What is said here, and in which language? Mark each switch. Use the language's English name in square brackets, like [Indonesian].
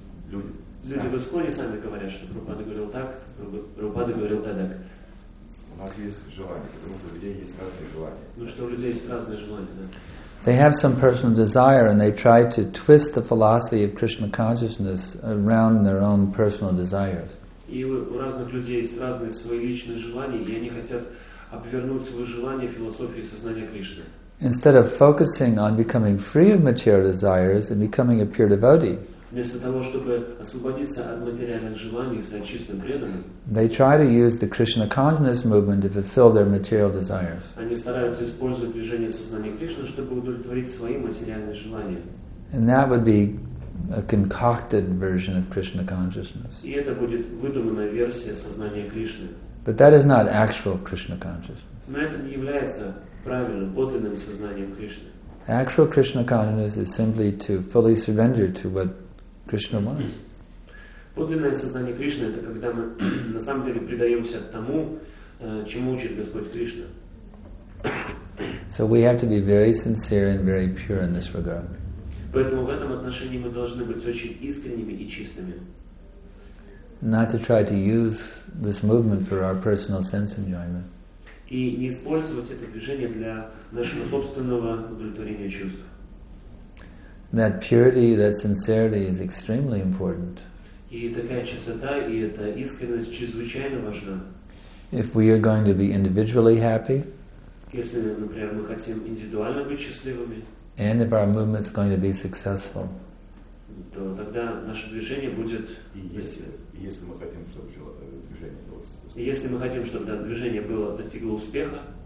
[Russian] Люди в Исконе сами говорят, что Прабхупада говорил так, Прабхупада говорил эдак. У нас есть желания, потому что у людей есть разные желания. Ну что, у людей есть разные желания, да. [English] They have some personal desire and they try to twist the philosophy of Krishna consciousness around their own personal desires. [Russian] И у разных людей есть разные свои личные желания, и они хотят обвернуть свои желания философии сознания Кришны. [English] Instead of focusing on becoming free of material desires and becoming a pure devotee, [Russian] вместо того, чтобы освободиться от материальных желаний и стать чистым преданным, [English] they try to use the Krishna consciousness movement to fulfill their material desires. [Russian] Они стараются использовать движение сознания Кришны, чтобы удовлетворить свои материальные желания. [English] And that would be a concocted version of Krishna consciousness. [Russian] И это будет выдуманная версия сознания Кришны. [English] But that is not actual Krishna consciousness. [Russian] Но это не является правильным, подлинным сознанием Кришны. [English] Actual Krishna consciousness is simply to fully surrender to what Krishna wants. [Russian] Подлинное сознание Кришны — это когда мы на самом деле предаемся тому, чему учит Господь Кришна. [English] So we have to be very sincere and very pure in this regard. [Russian] Поэтому в этом отношении мы должны быть очень искренними и чистыми. [English] Not to try to use this movement for our personal sense enjoyment. [Russian] И не использовать это движение для нашего собственного удовлетворения чувств. [English] That purity, that sincerity is extremely important. [Russian] И такая чистота и эта искренность чрезвычайно важна. [English] If we are going to be individually happy, [Russian] если, например, мы хотим индивидуально быть счастливыми, [English] and if our movement is going to be successful, [Russian] то тогда наше движение будет. Если мы хотим, чтобы движение было. Если мы хотим, чтобы движение было достигло успеха.